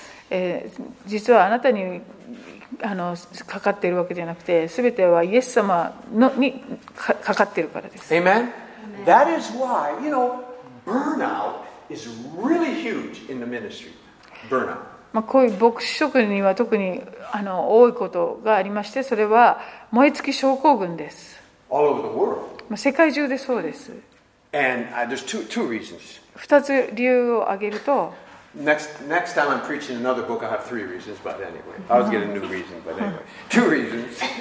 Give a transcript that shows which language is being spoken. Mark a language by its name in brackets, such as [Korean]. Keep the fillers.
[Japanese] えー、実はあなたにあのかかっているわけじゃなくてすべてはイエス様のにかかっているからです。 [English] That is why, you know, burnout is really huge in the ministry. Burnout. [Japanese] まあこういう牧師職には特にあの多いことがありまして、それは燃え尽き症候群です。まあ世界中でそうです。 2 二つ理由を挙げると。 [English] Next, next time I'm preaching another book, I'll have three reasons, but anyway. I was getting a new reason, but anyway. Two reasons.